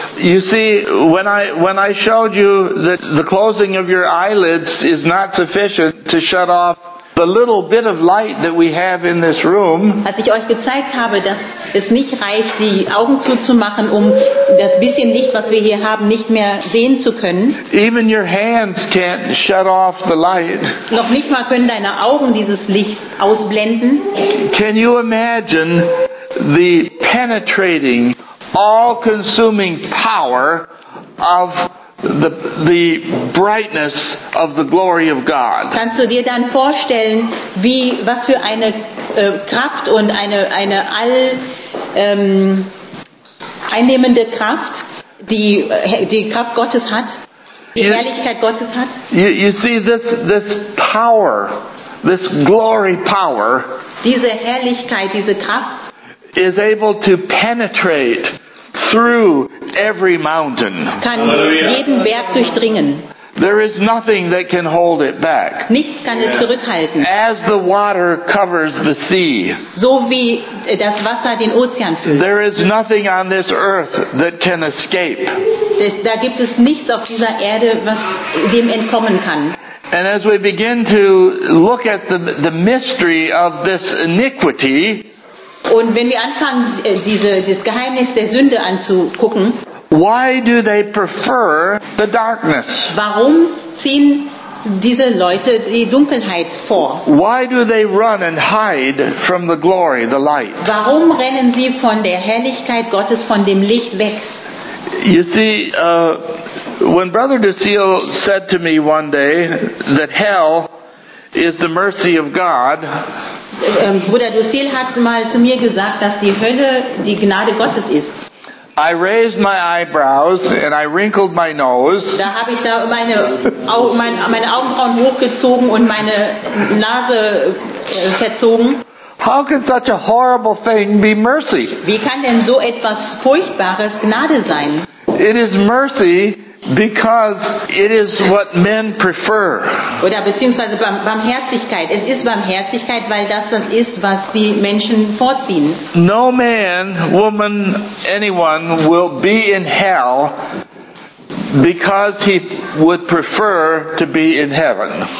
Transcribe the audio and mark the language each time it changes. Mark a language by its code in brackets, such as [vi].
[en] You see, when I showed you that the closing of your eyelids is not sufficient to shut off the little bit of light that we have in this room, [de] als ich euch gezeigt habe, dass es nicht reicht, die Augen zuzumachen, um das bisschen Licht, was wir hier haben, nicht mehr sehen zu können. [en] Even your hands can't shut off the light. [de] Noch nicht mal können deine Augen dieses Licht ausblenden. [en] Can you imagine the penetrating, all-consuming power of the brightness of the glory of God? [de] Kannst du dir dann vorstellen, wie, was für eine Kraft und eine all einnehmende Kraft die Kraft Gottes hat, die Herrlichkeit Gottes hat? [en] You see, this power, this glory power, [de] diese Herrlichkeit, diese Kraft, [en] is able to penetrate through every mountain. [de] Kann jeden Berg durchdringen. [en] There is nothing that can hold it back. [de] Nichts kann es zurückhalten. [en] As the water covers the sea. [de] So wie das Wasser den Ozean füllt. [en] There is nothing on this earth that can escape. [de] Da gibt es nichts auf dieser Erde, was dem entkommen kann. [en] And as we begin to look at the mystery of this iniquity, [de] und wenn wir anfangen, dieses Geheimnis der Sünde anzugucken, [en] why do they prefer the darkness? [de] Warum ziehen diese Leute die Dunkelheit vor? [en] Why do they run and hide from the glory, the light? [de] Warum rennen sie von der Herrlichkeit Gottes, von dem Licht weg? [en] You see, when Brother DeSeel said to me one day that hell is the mercy of God. [de] Bruder DeSeel hat mal zu mir gesagt, dass die Hölle die Gnade Gottes ist. [en] I raised my eyebrows and I wrinkled my nose. [de] Da habe ich da meine Augenbrauen hochgezogen und meine Nase verzogen. [en] How can such a horrible thing be mercy? [de] Wie kann denn so etwas Furchtbares Gnade sein? [en] It is mercy because it is what men prefer. [de] Oder beziehungsweise Barmherzigkeit. Es ist Barmherzigkeit, weil das ist, was die Menschen vorziehen. [en] No man, woman, anyone will be in hell because he would prefer to be in heaven.